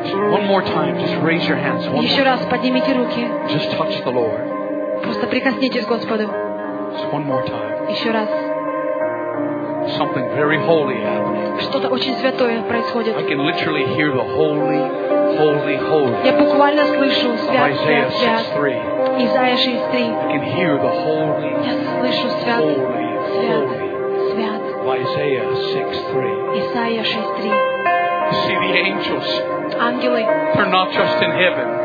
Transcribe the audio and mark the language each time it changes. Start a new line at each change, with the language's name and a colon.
English: One more time, just raise your hands.
Russian: Еще раз поднимите руки.
English: Just touch the Lord.
Russian: Просто прикоснитесь к Господу.
English: Just one more time.
Russian: Еще раз.
English: Something very holy happening.
Russian: Что-то очень святое происходит.
English: I can literally hear the holy, holy, holy.
Russian: Я буквально слышу свят, свят, свят. Исайя 6:3.
English: I can hear the holy.
Russian: Я слышу свят,
English: holy,
Russian: свят,
English: holy,
Russian: свят.
English: Isaiah 6:3.
Russian: Исайя 6:3.
English: See the angels.
Russian: Ангелы.
English: They're not just in heaven.